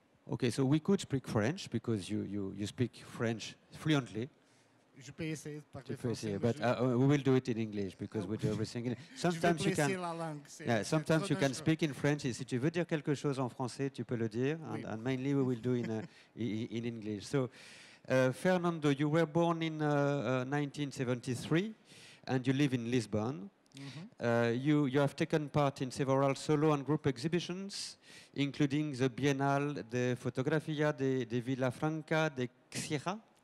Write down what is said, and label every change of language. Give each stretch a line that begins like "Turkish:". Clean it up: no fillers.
English: Okay, so we could speak French because you speak French fluently.
French: Je peux essayer de parler français,
English: but we will do it in English because we do everything. Sometimes you can. Sometimes you can speak in French.
French: Si tu veux dire quelque chose en français, tu peux le dire. Oui.
English: And mainly we will do in English. So, Fernando, you were born in 1973, and you live in Lisbon. Mm-hmm. You have taken part in several solo and group exhibitions, including the Biennale de Fotografia de Villa Franca de Xira.